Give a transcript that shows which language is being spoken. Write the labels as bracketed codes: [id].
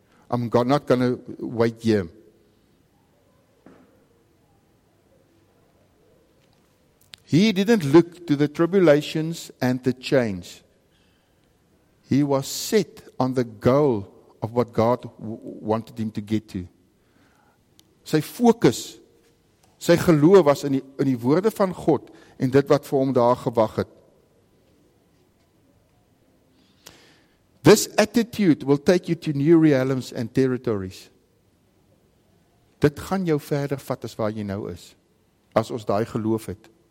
[en] I'm not going to wait here. He didn't look to the tribulations and the chains. He was set on the goal of what God wanted him to get to. [af] Sy fokus, sy geloof was in die woorde van God en dit wat vir hom daar gewag het. [en] This attitude will take you to new realms and territories. [af] Dit gaan jou verder vat as waar jy nou is, as ons daai geloof het.